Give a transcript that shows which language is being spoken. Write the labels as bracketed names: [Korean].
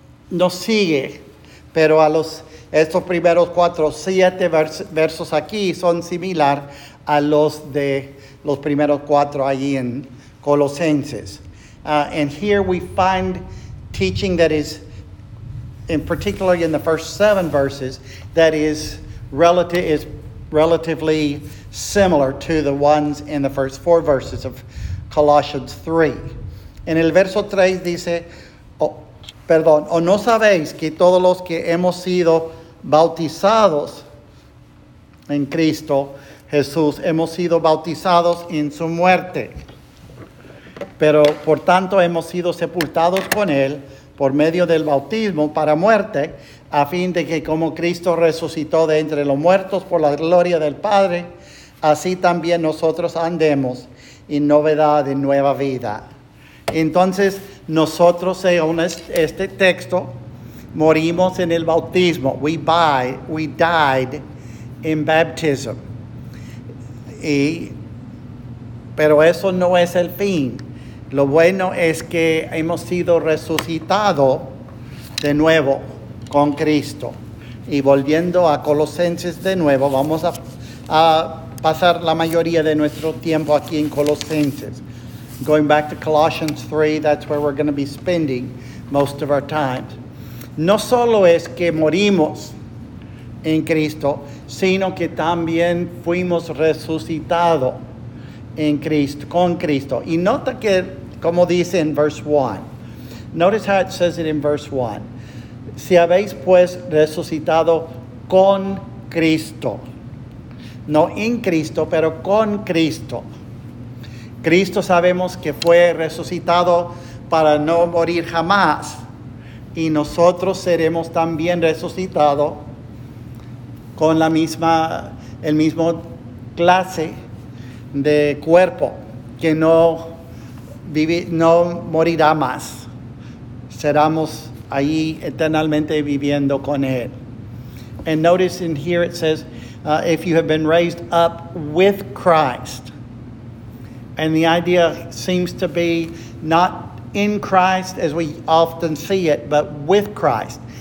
[Spanish] No sigue, pero a estos primeros 4-7 versos aquí son similar a los de los primeros 4 allí en Colosenses. [English] And here we find teaching that is, in particular in the first 7 verses, that is relatively similar to the ones in the first 4 verses of Colossians 3. [Spanish] En el verso 3 dice, ¿o no sabéis que todos los que hemos sido bautizados en Cristo Jesús, hemos sido bautizados en su muerte? Pero por tanto hemos sido sepultados con Él por medio del bautismo para muerte, a fin de que como Cristo resucitó de entre los muertos por la gloria del Padre, así también nosotros andemos en novedad de nueva vida. Entonces, nosotros, según este texto, morimos en el bautismo. [English] We died in baptism. [Spanish] Pero eso no es el fin. Lo bueno es que hemos sido resucitados de nuevo con Cristo. Y volviendo a Colosenses de nuevo, vamos a pasar la mayoría de nuestro tiempo aquí en Colosenses. [English] Going back to Colossians 3, that's where we're going to be spending most of our time. [Spanish] No solo es que morimos en Cristo, sino que también fuimos resucitados en Cristo, con Cristo. Y nota que, como dice en [English] verse 1, notice how it says it in verse 1. [Spanish] Si habéis pues resucitado con Cristo. No en Cristo, pero con Cristo. Cristo sabemos que fue resucitado para no morir jamás, y nosotros seremos también resucitados con el mismo clase de cuerpo, que no morirá más. Seremos ahí eternamente viviendo con Él. [English] And notice in here it says, if you have been raised up with Christ. And the idea seems to be not in Christ as we often see it, but with Christ.